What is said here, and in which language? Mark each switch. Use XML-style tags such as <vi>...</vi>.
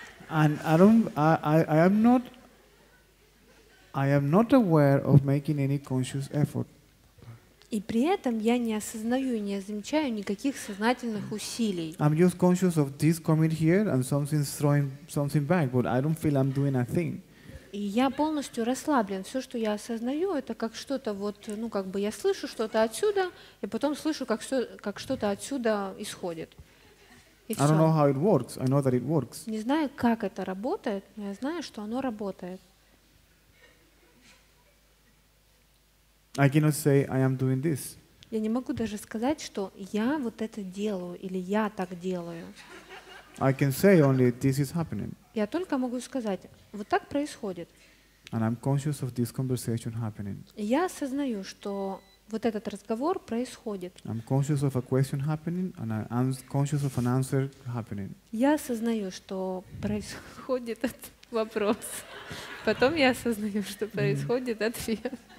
<en>And I am not aware of making any conscious effort.</en> <ru>И при этом я не осознаю и не замечаю никаких сознательных усилий.</ru> <en>I'm just conscious of this coming here and something's throwing something back, but I don't feel I'm doing a thing.</en> <ru>И я полностью расслаблен. Все, что я осознаю, это как что-то вот, ну как бы я слышу что-то отсюда, и потом слышу, как что-то отсюда исходит. И</ru> <en>I don't know how it works. I know that it works.</en> <ru>Не знаю, как это работает, но я знаю, что оно работает.</ru> <en>I cannot say I am doing this.</en> <ru>Я не могу даже сказать, что я вот это делаю или я так делаю.</ru> <en>I can say only this is happening.</en> <ru>Я только могу сказать, вот так происходит.</ru> <en>And I'm conscious of this conversation happening.</en> <ru>Я осознаю, что вот этот разговор происходит.</ru> <en>I'm conscious of a question happening and I'm conscious of an answer happening.</en> <ru>Я осознаю, что происходит этот вопрос. Потом я осознаю, что происходит ответ.</ru>